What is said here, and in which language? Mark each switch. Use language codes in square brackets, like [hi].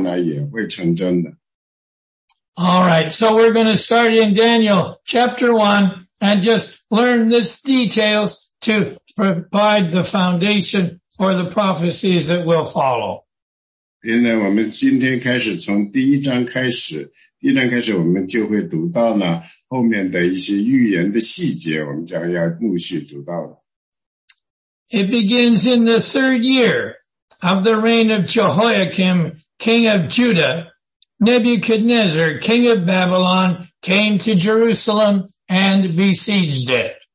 [zh] 现在的逻辑呢，基本上就是这样的。如果神在昨天讲到的那些预言呢，他成真了，那么今天呢，他讲的预言呢，将来也会成真的。All [en] right, so we're going to start in Daniel chapter 1 and just learn these details to provide the foundation for the prophecies that will follow. [zh] 现在我们今天开始从第一章开始，第一章开始我们就会读到呢，后面的一些预言的细节，我们将要陆续读到。It [en] begins in the third year of the reign of Jehoiakim, king of Judah. Nebuchadnezzar, king of Babylon, came to Jerusalem and besieged it.